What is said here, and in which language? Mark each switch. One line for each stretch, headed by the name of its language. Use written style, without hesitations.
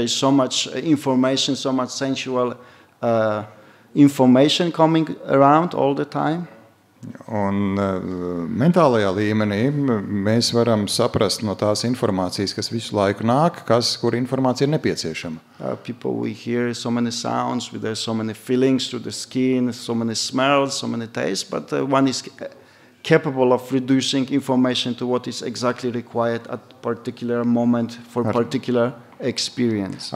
English: There is so much information, so much sensual information coming around all the time.
Latvian: Un mentālajā līmenī mēs varam saprast no tās informācijas, kas visu laiku nāk, kas, kur informācija ir nepieciešama.
English: People, we hear so many sounds, with so many feelings through the skin, so many smells, so many tastes, but one is capable of reducing information to what is exactly required at particular moment for particular experience.